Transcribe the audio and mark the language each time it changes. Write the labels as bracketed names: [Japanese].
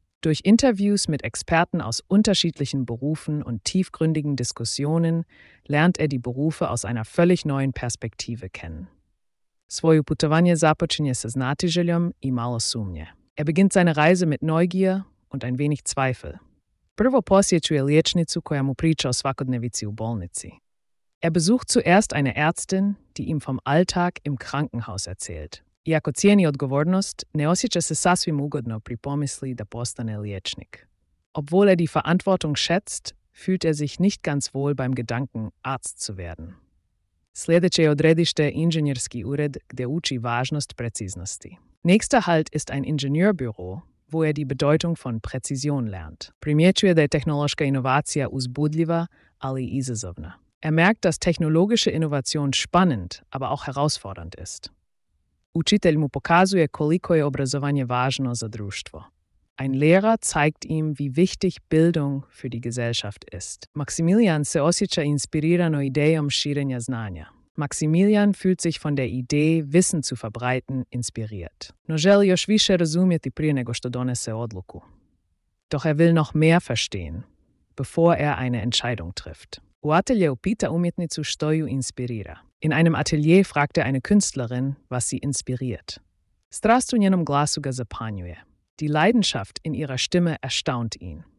[German] Durch Interviews mit Experten aus unterschiedlichen Berufen und tiefgründigen Diskussionen lernt er die Berufe aus einer völlig neuen Perspektive kennen. [Croatian] Svoje putovanje započinje sa znatiželjom i malo sumnje. [German] Er beginnt seine Reise mit Neugier und ein wenig Zweifel. [Croatian] Prvo posjećuje liječnicu koja mu priča o svakodnevici u bolnici. [German] Er besucht zuerst eine Ärztin, die ihm vom Alltag im Krankenhaus erzählt. [Croatian] Iako cijeni odgovornost, ne osjeća se sasvim ugodno pri pomisli da postane liječnik. [German] Obwohl er die Verantwortung schätzt, fühlt er sich nicht ganz wohl beim Gedanken, Arzt zu werden. [Croatian] Sljedeće je odredište inženjerski ured gde uči važnost preciznosti. [German] Nächster Halt ist ein Ingenieurbüro, wo er die Bedeutung von Präzision lernt. [Croatian] Primjećuje da je tehnološka inovacija uzbudljiva, ali izazovna. [German] Er merkt, dass technologische Innovation spannend, aber auch herausfordernd ist. [Croatian] Učitelj mu pokazuje koliko je obrazovanje važno za društvo. [German] Ein Lehrer zeigt ihm, wie wichtig Bildung für die Gesellschaft ist. [Croatian] Maximilian se osjeća inspirirano idejom širenja znanja. [German] Maximilian fühlt sich von der Idee, Wissen zu verbreiten, inspiriert. [Croatian] No želi još više razumjeti prije nego što donese odluku. [German] Doch er will noch mehr verstehen, bevor er eine Entscheidung trifft. [Croatian] U atelje upita umjetnicu što ju inspirira. [German] In einem Atelier fragt er eine Künstlerin, was sie inspiriert. [Croatian] Strast u njenom glasu ga zapanjuje. [German] Die Leidenschaft in ihrer Stimme erstaunt ihn.